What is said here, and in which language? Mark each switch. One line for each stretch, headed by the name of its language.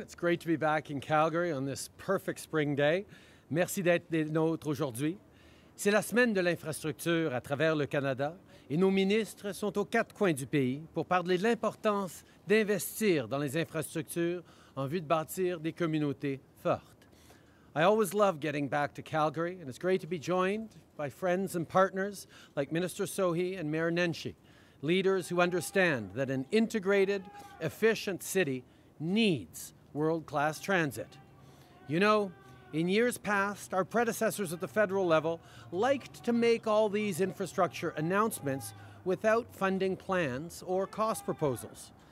English: It's great to be back in Calgary on this perfect spring day.
French: Merci d'être des nôtres aujourd'hui. C'est la semaine de l'infrastructure à travers le Canada et nos ministres sont aux quatre coins du pays pour parler de l'importance d'investir dans les infrastructures en vue de bâtir des communautés fortes.
English: I always love getting back to Calgary, and it's great to be joined by friends and partners like Minister Sohi and Mayor Nenshi, leaders who understand that an integrated, efficient city needs world-class transit. You know, in years past, our predecessors at the federal level liked to make all these infrastructure announcements without funding plans or cost proposals.